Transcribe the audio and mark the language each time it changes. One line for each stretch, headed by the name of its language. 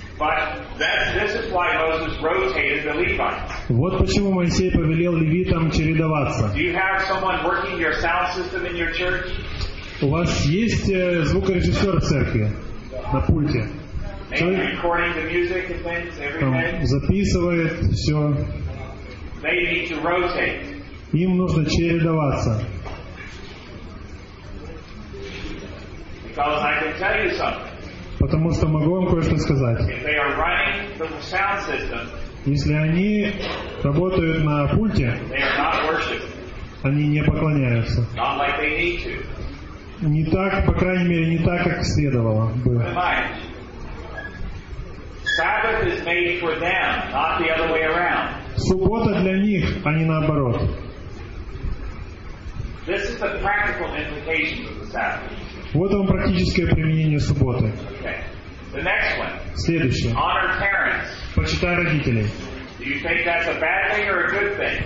Russian: Вот почему Моисей повелел левитам чередоваться.
English: Do you have someone working your sound system in your church?
Russian: У вас есть звукорежиссер в церкви на пульте?
English: Maybe recording the music and things every day.
Russian: Записывает все.
English: They need to rotate.
Russian: Им нужно чередоваться.
English: Because I can tell you something.
Russian: Потому что могу вам кое-что сказать.
English: If they are running the sound system,
Russian: если они работают на пульте,
English: they are not worshiping.
Russian: Они не поклоняются.
English: Not like they need to.
Russian: Не так, по крайней мере, не так, как следовало бы.
English: Sabbath is made for them, not the other way around.
Russian: Суббота для них, а не наоборот.
English: This is the practical implication of the Sabbath.
Russian: Вот вам практическое применение субботы.
English: Okay. The next one.
Russian: Следующее.
English: Honor parents.
Russian: Почитай родителей.
English: Do you think that's a bad thing or a good thing?